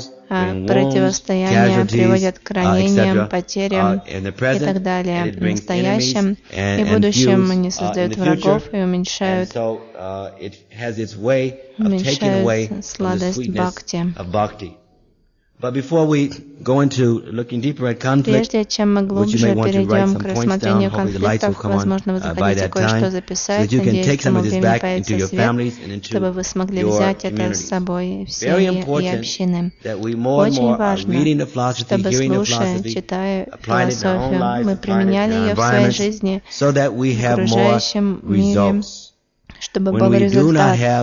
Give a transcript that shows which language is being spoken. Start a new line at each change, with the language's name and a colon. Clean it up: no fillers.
Russian: А противостояние приводит к ранениям, потерям и так далее. В настоящем и будущем они создают врагов и уменьшают сладость бхакти.
English: But before we go into looking deeper at conflict,
Russian: прежде чем мы глубже перейдем к рассмотрению конфликтов, возможно, вы захотите кое-что записать, надеюсь, что время появится свет, чтобы вы смогли взять это с собой в семьи и общины. Очень важно, чтобы слушая, читая философию, мы применяли ее в своей жизни, в окружающем мире, чтобы был результат.